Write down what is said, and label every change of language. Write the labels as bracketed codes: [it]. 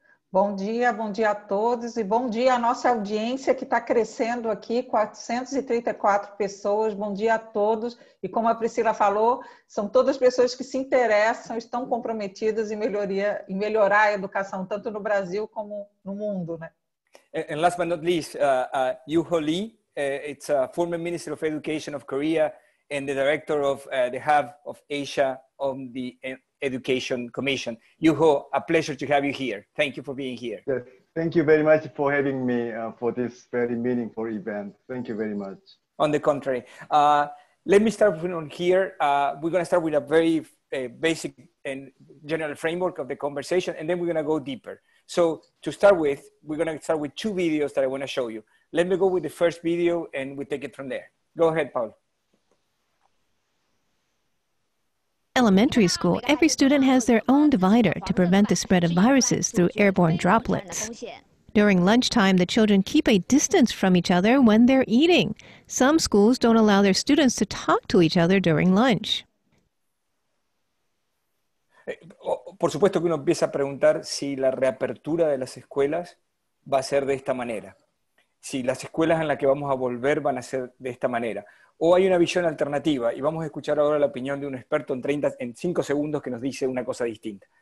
[pt] Bom dia a todos e bom dia à nossa audiência que está crescendo aqui, 434 pessoas. Bom dia a todos. E como a Priscila falou, são todas pessoas que se interessam, estão comprometidas em melhorar a educação, tanto no Brasil como no mundo, né? [en] And last but not least, Joho Lee, It's a former Minister of Education of Korea and the Director of the Hub of Asia on the Education Commission. Yuho, a pleasure to have you here. Thank you for being here. Yes. Thank you very much for having me for this very meaningful event. Thank you very much. On the contrary. Let me start from here. We're going to start with a very basic and general framework of the conversation, and then we're going to go deeper. So to start with, we're going to start with two videos that I want to show you. Let me go with the first video, and we take it from there. Go ahead, Paul. Elementary school, every student has their own divider to prevent the spread of viruses through airborne droplets. During lunchtime, the children keep a distance from each other when they're eating. Some schools don't allow their students to talk to each other during lunch. [es] Por supuesto que uno empieza a preguntar si la reapertura de las escuelas va a ser de esta manera. Si las escuelas en las que vamos a volver van a ser de esta manera. O hay una visión alternativa y vamos a escuchar ahora la opinión de un experto en 5 segundos que nos dice una cosa distinta.